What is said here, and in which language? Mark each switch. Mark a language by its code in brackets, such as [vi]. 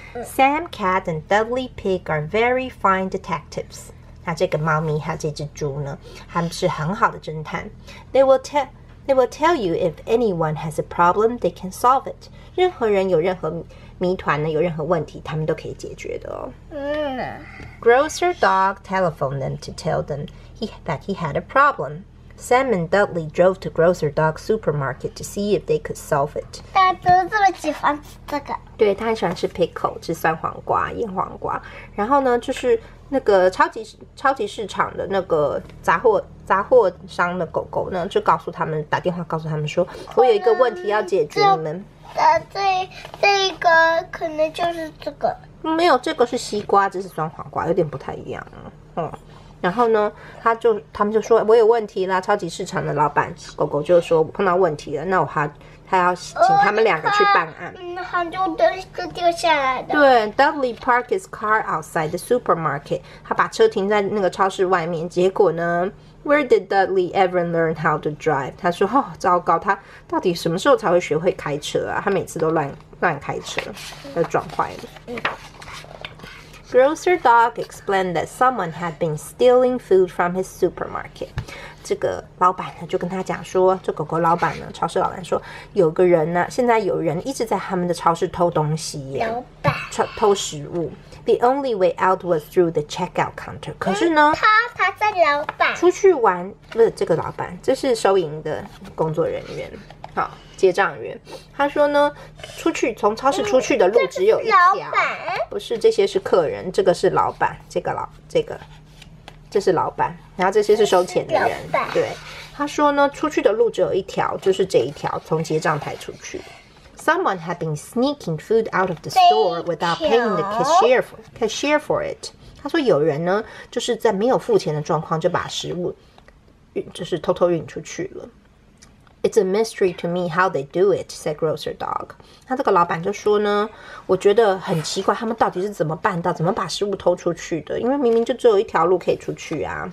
[en] Sam Cat and Dudley Pig are very fine detectives. [zh] 那这个猫咪和这只猪呢，他们是很好的侦探。 [en] They will tell you if anyone has a problem, they can solve it. [zh] 任何人有任何谜团呢，有任何问题，他们都可以解决的哦。 [en] Grocer Dog telephoned them to tell them that he had a problem. Sam and Dudley drove to Grocer Dog's supermarket to see if they could solve it. [zh] 大家都这么喜欢吃这个？对，他很喜欢吃 pickle， 吃酸黄瓜、腌黄瓜。然后呢，就是那个超级市场的那个杂货商的狗狗呢，就告诉他们，打电话告诉他们说，我有一个问题要解决你们。这个可能就是这个。没有，这个是西瓜，这是酸黄瓜，有点不太一样啊。然后呢，他们就说，我有问题啦。超级市场的老板狗狗就说，我碰到问题了，那他要请他们两个去办案。他就都是掉下来的。 [en] 对 ，Dudley parked his car outside the supermarket， [zh] 他把车停在那个超市外面。结果呢 [en] ，Where did Dudley ever learn how to drive？ [zh] 他说，哦，糟糕，他到底什么时候才会学会开车啊？他每次都乱开车，都撞坏了。 [en] Grocer Dog explained that someone had been stealing food from his supermarket. [zh] 这个老板呢就跟他讲说，这狗狗老板呢，超市老板说，有个人呢，现在有人一直在他们的超市偷东西耶。老板偷食物。 [en] The only way out was through the checkout counter. [zh] 可是呢，他在老板出去玩，不是这个老板，这是收银的工作人员。好，结账员，他说呢，出去从超市出去的路只有一条，这是老板，不是这些是客人，这个是老板，这个，这是老板，然后这些是收钱的人，对，他说呢，出去的路只有一条，就是这一条，从结账台出去。 [en] Someone had been sneaking food out of the store without paying the cashier for it. [zh] 他说有人呢，就是在没有付钱的状况就把食物就是偷偷运出去了。 [en] It's a mystery to me how they do it, said Grocer Dog. [zh] 那这个老板就说呢，我觉得很奇怪，他们到底是怎么办到，怎么把食物偷出去的？因为明明就只有一条路可以出去啊。